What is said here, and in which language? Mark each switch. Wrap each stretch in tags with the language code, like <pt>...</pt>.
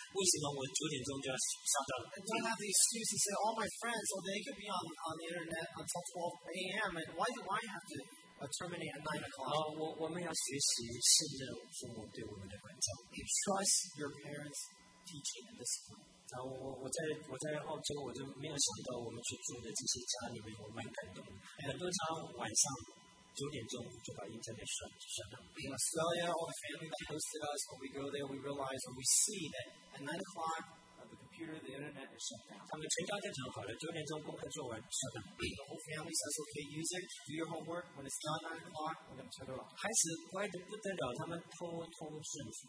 <zh>你不要说我的friend家里面都不是这样子，他们可以上网，可以上到12点1点的，为什么我9点钟就要上到？</zh> <en>Don't have the excuse to say, all my friends, oh, they could be on the internet until 12 a.m. and why have to terminate at 9 o'clock?</en> <zh>我们要学习信任父母对我们的管教。</zh> <en>Trust your parents' teaching and discipline.</en> <zh>我在澳洲，我就没有想到我们居住的这些家里面，我蛮感动的。很多家晚上9点钟就把internet删掉。</zh> <en>In Australia, all the family that hosted us, when we go there, we realize when we see that at 9 o'clock, the computer, the internet is shut down.</en> <zh>他们全家都讲好了，9点钟功课做完，</zh> <en>shut down。 The whole family says, okay, use it, do your homework. When it's done, 9 o'clock, we're going to turn it off.</en> <zh>孩子乖得不得了，他们通通顺服。</zh>